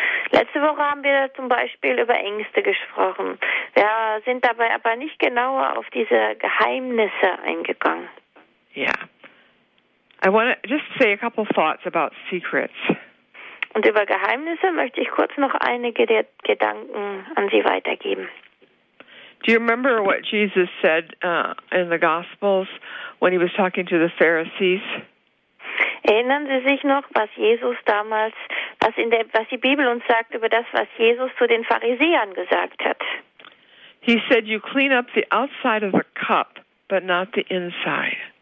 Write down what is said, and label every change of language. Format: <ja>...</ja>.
<de>Letzte Woche haben wir zum Beispiel über Ängste gesprochen. Wir sind dabei aber nicht genauer auf diese Geheimnisse eingegangen. Yeah.</de> <en>I want to just say a couple thoughts about secrets.</en> <de>Und über Geheimnisse möchte ich kurz noch einige der Gedanken an Sie weitergeben.</de> <en>Do you remember what Jesus said in the Gospels when he was talking to the Pharisees?</en> <de>Erinnern Sie sich noch, was Jesus damals, was die Bibel uns sagt über das, was Jesus zu den Pharisäern gesagt hat?</de> <en>He said, you clean up the outside of the cup, but not the inside.</en>